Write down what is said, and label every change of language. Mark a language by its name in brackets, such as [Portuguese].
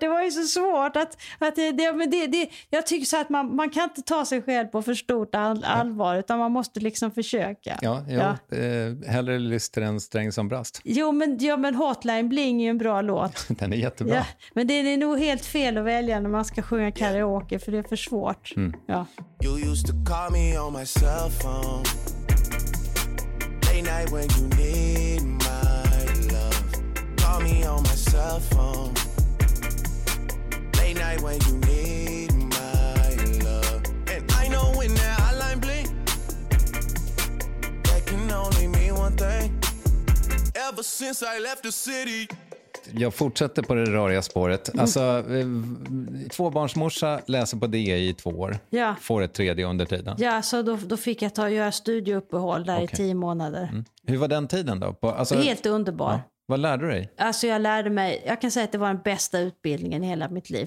[Swedish] Det var ju så svårt att det, jag tycker så att man kan inte ta sig själv på för stort allvar, utan man måste liksom försöka. Ja. Hellre lyster en sträng som brast. Jo, men Hotline Bling är ju en bra låt. Den är jättebra. Ja, men det är nog helt fel att välja när man ska sjunga karaoke. Okej, för det är för svårt. Mm. Ja. [English] You used to call me on my cell phone. Late night when you need my love. Call me on my cell phone. Late night when you need my love. And I know when that hotline bling, that can only mean one thing. Ever since I left the city. [Swedish] Jag fortsätter på det röriga spåret. Alltså, tvåbarnsmorsa läser på DE i 2 år. Ja. Får ett tredje under tiden. Ja, så då fick jag göra studieuppehåll där. Okay. I 10 månader. Mm. Hur var den tiden då? Alltså, helt underbar. Ja. Vad lärde du dig? Alltså jag lärde mig, jag kan säga att det var den bästa utbildningen i hela mitt liv.